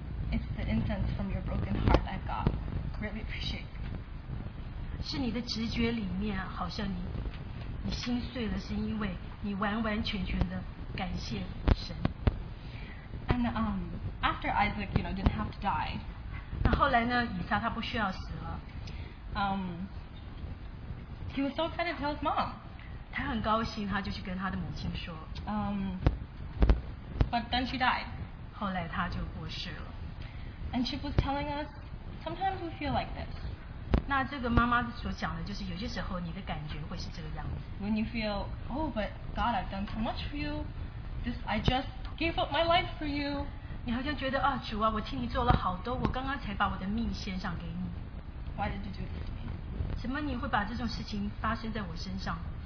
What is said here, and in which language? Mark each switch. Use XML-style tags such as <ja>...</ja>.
<en>It's the incense from your broken heart that God really appreciate.</en> <zh>是你的直觉里面好像你心碎了，是因为你完完全全的感谢神。</zh> <en>And after Isaac, you know, didn't have to die.</en> <zh>那后来呢？以撒他不需要死了。</zh> <en>He was so excited to tell his mom.</en> <zh>他很高兴，他就去跟他的母亲说。</zh> <en>But then she died.</en> <zh>后来他就过世了。</zh> <en>And she was telling us, sometimes we feel like this.</en> <zh>那这个妈妈所讲的就是有些时候你的感觉会是这个样子。</zh> <en>When you feel, oh, but God, I've done so much for you. This, I just gave up my life for you.</en> <zh>你好像觉得啊，主啊，我替你做了好多，我刚刚才把我的命献上给你。</zh> <en>Why did you do this to me?</en> <zh>怎么你会把这种事情发生在我身上？</zh>